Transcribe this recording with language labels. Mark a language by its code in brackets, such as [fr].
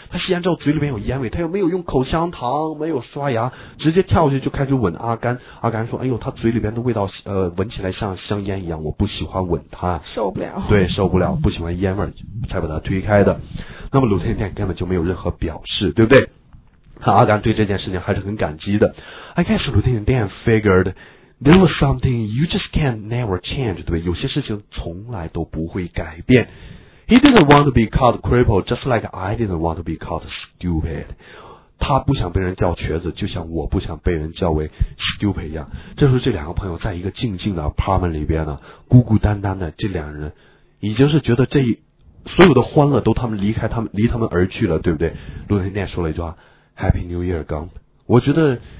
[zh] 他吸烟之后嘴里面有烟味，他又没有用口香糖，没有刷牙，直接跳下去就开始吻阿甘。阿甘说：“哎呦，他嘴里边的味道，闻起来像香烟一样，我不喜欢吻他，受不了。” 对，受不了，不喜欢烟味，才把他推开的。那么鲁天天根本就没有任何表示，对不对？他阿甘对这件事情还是很感激的。 [en] I guess 鲁天天 figured。 There was something you just can't never change，对不对？ [zh] 有些事情从来都不会改变。 [en] He didn't want to be called crippled, just like I didn't want to be called stupid。 [zh] 他不想被人叫瘸子，就像我不想被人叫为 stupid 一样。这时候，这两个朋友在一个静静的 apartment 里边呢，孤孤单单的，这两人已经是觉得这所有的欢乐都他们离开他们离他们而去了，对不对？罗天念说了一句话 ： “Happy New Year, Gump。” 我觉得。